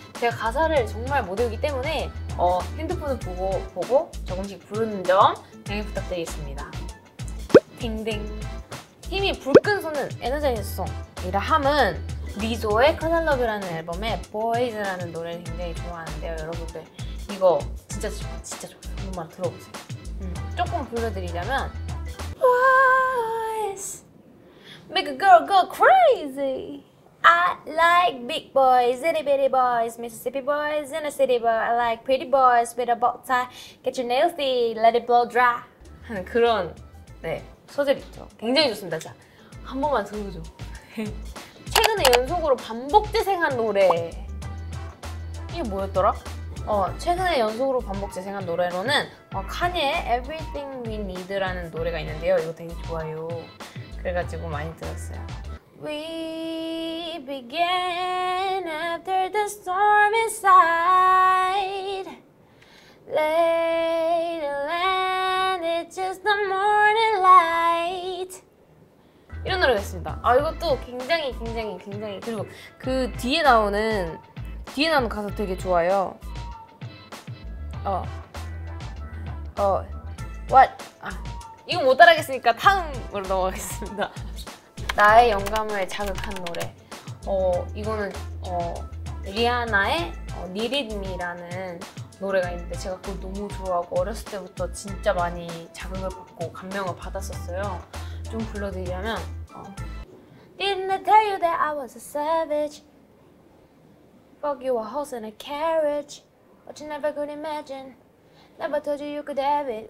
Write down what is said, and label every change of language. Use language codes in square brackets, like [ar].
[ko] 제가 가사를 정말 못 외우기 때문에 핸드폰을 보고 조금씩 부르는 점 양해 부탁드리겠습니다. 딩딩. 힘이 불 끈 손은 에너자이저 송. 이라함은 리조의 커널러브라는 앨범에 보이즈라는 노래를 굉장히 좋아하는데요. 여러분들 이거 진짜 좋아요. 한 번만 들어보세요. 조금 불러드리자면 [en] Boys make a girl go crazy. I like big boys, itty bitty boys, Mississippi boys, and a city boy. I like pretty boys with a bow tie. Get your nails did, let it blow dry. [ko] 하는 그런 네 소절 있죠. 굉장히 좋습니다. 자, 한 번만 들어보죠. 최근에 연속으로 반복 재생한 노래 이게 뭐였더라? 최근에 연속으로 반복 재생한 노래로는 카니의 Everything We Need라는 노래가 있는데요. 이거 되게 좋아요. 그래가지고 많이 들었어요. [en] We began after the storm inside. Lay the land, it's just the morning light. [ko] 이런 노래가 있습니다. 아, 이것도 굉장히. 그리고 그 뒤에 나오는 가사 되게 좋아요. [en] What? [ko] 아, 이거 못 따라하겠으니까 다음으로 넘어가겠습니다. 나의 영감을 자극한 노래. 이거는 리아나의 Need It Me라는 노래가 있는데 제가 그걸 너무 좋아하고 어렸을 때부터 진짜 많이 자극을 받고 감명을 받았었어요. 좀 불러드리자면 [en] Didn't I tell you that I was a savage? Fuck you, a horse and a carriage. But you never could imagine. Never told you you could have it.